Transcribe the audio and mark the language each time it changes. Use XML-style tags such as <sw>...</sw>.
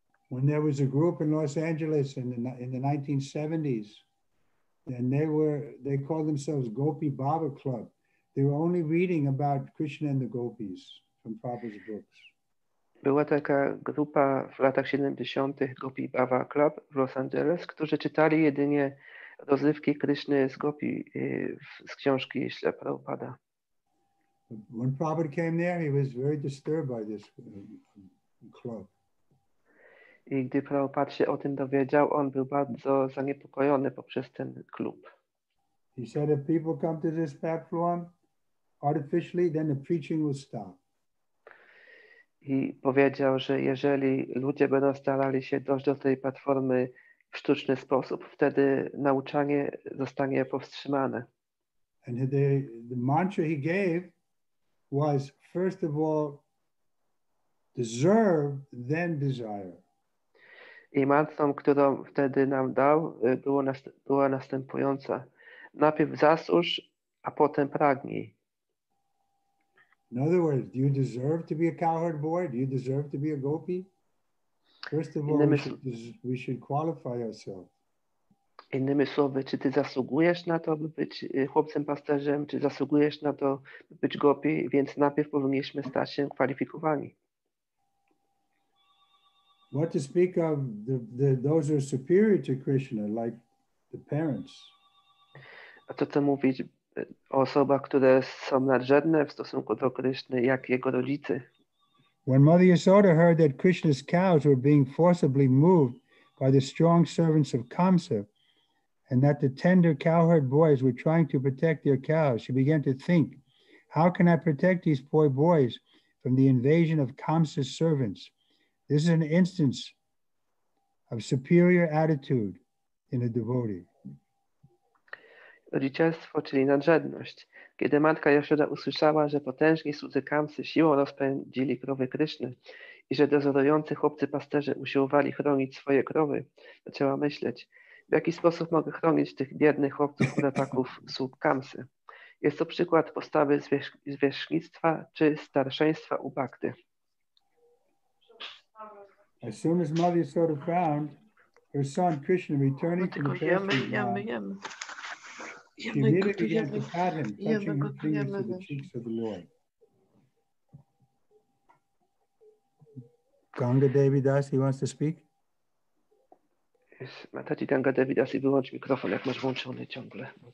<en>When there was a group in Los Angeles in the 1970s, and they called themselves Gopi Baba Club. They were only reading about Krishna and the Gopis from Prabhupada's books.</en> <pl>Była taka grupa w latach 70. Gopi Baba Club w Los Angeles, którzy czytali jedynie rozrywki Kryszny z Gopi z książki Śle Prabhupada.</pl> <en>When Prabhupada came there, he was very disturbed by this club.</en> <pl>I gdy Prabhupada się o tym dowiedział, on był bardzo zaniepokojony poprzez ten klub.</pl> <en>He said, if people come to this platform artificially, then the preaching will stop.</en> <pl>I powiedział, że jeżeli ludzie będą starali się dojść do tej platformy w sztuczny sposób, wtedy nauczanie zostanie powstrzymane.</pl> <en>And the mantra he gave was, first of all, deserve, then desire.</en> <pl>I mantrą, którą wtedy nam dał, była następująca. Najpierw zasłuż, a potem pragnij.</pl> <en>In other words, do you deserve to be a cowherd boy? Do you deserve to be a gopi? First of all, we should qualify ourselves.</en> <pl>Innymi słowy, czy ty zasługujesz na to, by być chłopcem pasterzem, czy zasługujesz na to, by być gopi, więc najpierw powinniśmy stać się kwalifikowani.</pl> <en>What to speak of the those who are superior to Krishna, like the parents.</en> <pl>A co mówić o osobach, które są nadrzędne w stosunku do Kryszny, jak jego rodzice.</pl> <en>When Mother Yasoda heard that Krishna's cows were being forcibly moved by the strong servants of Kamsa, and that the tender cowherd boys were trying to protect their cows, she began to think, how can I protect these poor boys from the invasion of Kamsa's servants? This is an instance of superior attitude in a devotee.</en> <pl>Rodzicielstwo, czyli nadrzędność. Kiedy matka Jaszoda usłyszała, że potężni słudzy Kamsy siłą rozpędzili krowy Kryszny i że dozorujący chłopcy pasterze usiłowali chronić swoje krowy, zaczęła myśleć, w jaki sposób mogę chronić tych biednych chłopców od ataków słup Kamsy. Jest to przykład postawy zwierzchnictwa czy starszeństwa u Bhakty.</pl> <en>As soon as Mother Yasoda found her son Krishna returning to the pasture, she immediately began to pat him, touching his fingers to the cheeks of the Lord. Ganga Devi Das, he wants to speak.</en> <pl>Mataji Ganga Devi Das, i wyłącz mikrofon, jak masz włączony ciągle.</pl>